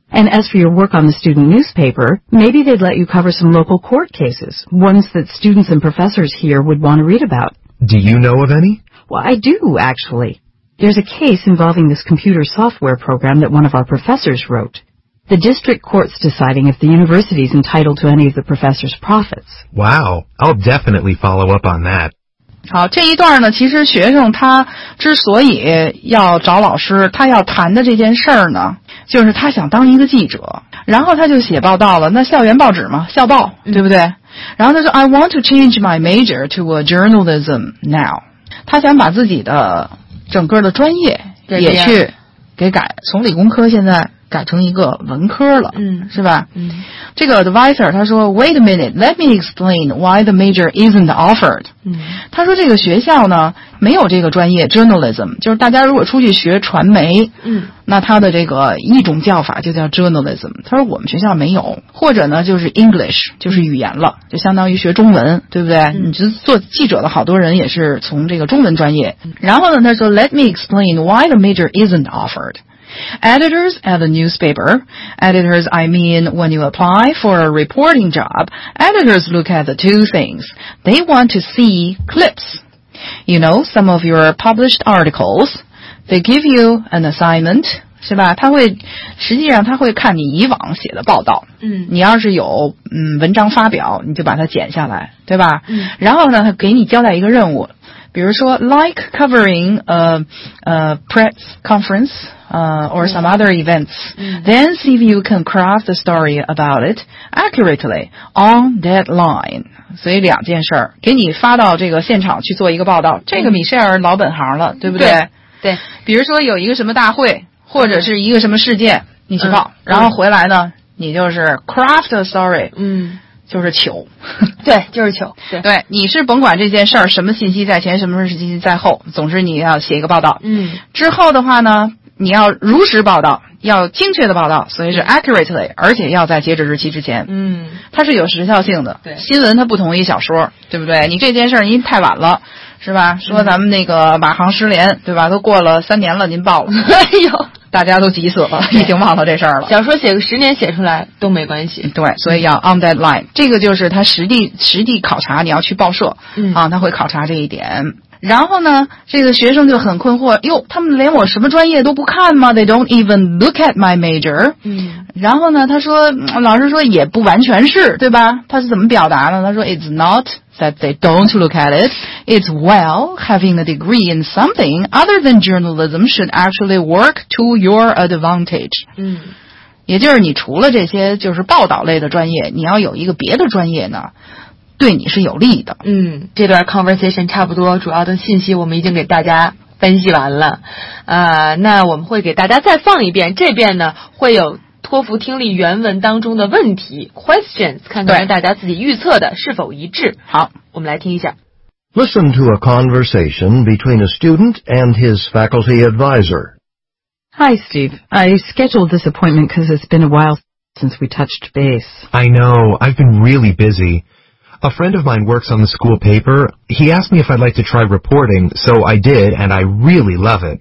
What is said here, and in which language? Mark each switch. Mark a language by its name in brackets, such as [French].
[English] And as for your work on the student newspaper, maybe they'd let you cover some local court cases, ones that students and professors here would want to read about. Do you know of any? Well, I do, actually. There's a case involving this computer software program that one of our professors wrote. The district court's deciding if the university's entitled to any of the professor's profits. Wow, I'll definitely follow up on that. [Chinese] 好，这一段呢，其实学生他之所以要找老师，他要谈的这件事儿呢，就是他想当一个记者。然后他就写报道了，那校园报纸嘛，校报，对不对？然后他说 [English] I want to change my major to a journalism now. [Chinese] 他想把自己的整个的专业也去给改，从理工科现在改成一个文科了，是吧？这个 advisor 他说 [English] Wait a minute, let me explain why the major isn't offered. [Chinese] 他说这个学校呢没有这个专业 journalism, 就是大家如果出去学传媒，那他的这个一种叫法就叫 journalism, 他说我们学校没有，或者呢就是 English, 就是语言了，就相当于学中文，对不对？你就做记者的好多人也是从这个中文专业。然后呢他说 [English] Let me explain why the major isn't offered. Editors at the newspaper. Editors, I mean, when you apply for a reporting job, editors look at the two things. They want to see clips. You know, some of your published articles. They give you an assignment. [Chinese] 是吧？他会，实际上他会看你以往写的报道。你要是有文章发表，你就把它剪下来，对吧？然后呢，他给你交代一个任务。比如说 [English] like covering a press conference or some other events, then see if you can craft a story about it accurately on deadline. [Chinese] 所以两件事儿，给你发到这个现场去做一个报道，这个米歇尔老本行了，对不对？对。比如说有一个什么大会或者是一个什么事件，你去报，然后回来呢你就是 [English] craft a story。 [Chinese] 就是糗，对，就是糗，对，对，你是甭管这件事儿什么信息在前，什么信息在后，总之你要写一个报道。之后的话呢，你要如实报道，要精确的报道，所以是 accurately， 而且要在截止日期之前。它是有时效性的。对，新闻它不同于小说，对不对？你这件事儿您太晚了，是吧？说咱们那个马航失联，对吧？都过了三年了，您报了，哎呦。大家都急死了，已经忘了这事儿了。小说写个十年写出来都没关系。对，所以要 [English] on deadline， [Chinese] 这个就是他实地考察，你要去报社，他会考察这一点。然后呢，这个学生就很困惑，哟，他们连我什么专业都不看吗 ？ [English] They don't even look at my major。 [Chinese] 然后呢，他说，老师说也不完全是，对吧？他是怎么表达呢？他说 [English] ，It's not that they don't look at it. It's well having a degree in something other than journalism should actually work to your advantage。 [Chinese] 也就是你除了这些就是报道类的专业，你要有一个别的专业呢。对你是有利的。这段 conversation 差不多主要的信息我们已经给大家分析完了。那我们会给大家再放一遍，这边呢会有托福听力原文当中的问题 questions， 看看大家自己预测的是否一致。好，我们来听一下。 [English] Listen to a conversation between a student and his faculty advisor. Hi, Steve. I scheduled this appointment because it's been a while since we touched base. I know. I've been really busy. A friend of mine works on the school paper. He asked me if I'd like to try reporting, so I did, and I really love it.